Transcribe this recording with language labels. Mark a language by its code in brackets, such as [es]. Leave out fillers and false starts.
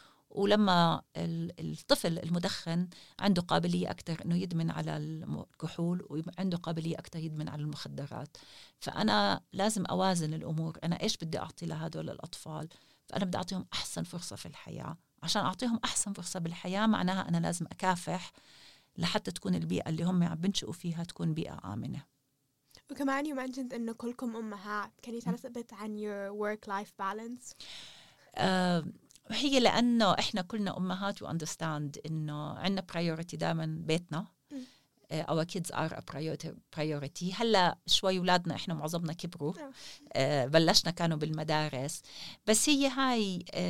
[ar] ولما الطفل المدخن عنده قابلية أكتر إنه يدمن على الكحول وعنده قابلية أكتر يدمن على المخدرات فأنا لازم أوازن الأمور أنا إيش بدي أعطي لهذول الأطفال فأنا بدي أعطيهم أحسن فرصة في الحياة عشان أعطيهم أحسن فرصة بالحياة معناها أنا لازم أكافح لحتى تكون البيئة اللي هم عم بنشئوا فيها تكون بيئة آمنة [en] وكمان you mentioned [ar] أنه كلكم أمهات [en] can you tell us a bit عن your work-life balance؟ [ar] هي لأنه إحنا كلنا أمهات [en] we understand [ar] أنه عندنا priority دائما بيتنا [en] our kids are a priority [ar] هلا شوي أولادنا إحنا معظمنا كبروا بلشنا كانوا بالمدارس بس هي هاي